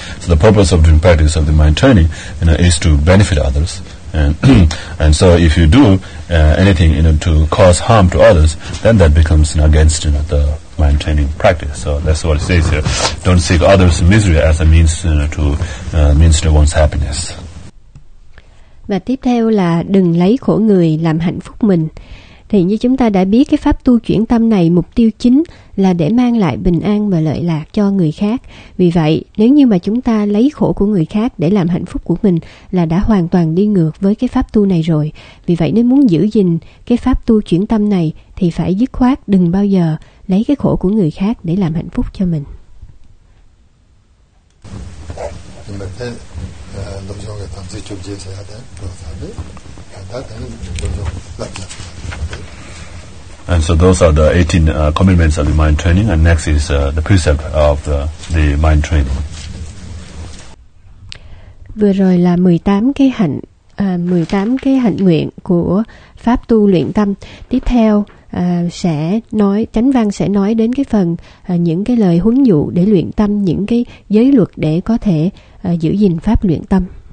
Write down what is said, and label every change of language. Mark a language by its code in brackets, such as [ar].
[en] So the purpose of doing practice of the mind training, is to benefit others. And so if you do anything, to cause harm to others, then that becomes against, the mind training practice. So that's what it says here. Don't seek others' misery as a means to one's happiness. [vi] Và tiếp theo là đừng lấy khổ người làm hạnh phúc mình. Thì như chúng ta đã biết, cái pháp tu chuyển tâm này mục tiêu chính là để mang lại bình an và lợi lạc cho người khác. Vì vậy, nếu như mà chúng ta lấy khổ của người khác để làm hạnh phúc của mình là đã hoàn toàn đi ngược với cái pháp tu này rồi. Vì vậy, nếu muốn giữ gìn cái pháp tu chuyển tâm này thì phải dứt khoát đừng bao giờ lấy cái khổ của người khác để làm hạnh phúc cho mình. [en] And so those are the 18 commitments of the mind training, and next is the precept of the mind training. [vi] Vừa rồi là 18 cái hạnh 18 cái hạnh nguyện của pháp tu luyện tâm. Tiếp theo sẽ nói, Chánh Văn sẽ nói đến cái phần những cái lời huấn dụ để luyện tâm, những cái giới luật để có thể giữ gìn pháp luyện tâm.